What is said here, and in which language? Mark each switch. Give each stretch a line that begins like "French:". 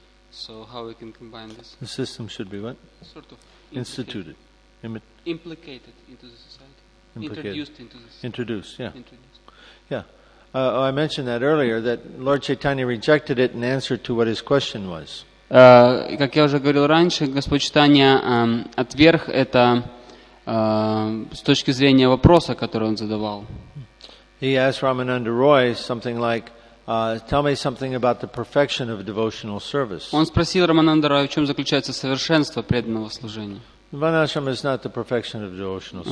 English: So how we can combine this? The system should be what? Sort of instituted. Implicated into the society. Introduced into the society. Introduced. Yeah. I mentioned that earlier, that Lord Chaitanya rejected it in answer to what his question was.
Russian: Как я уже говорил раньше, Господь Чайтанья отверг это с точки зрения вопроса, который он задавал.
English: He asked Ramananda Roy something like, "Tell me something about the perfection of devotional service."
Russian: Он спросил Рамананда Роя, в чем заключается совершенство преданного служения.
English: Varnashram is not the perfection of devotional service.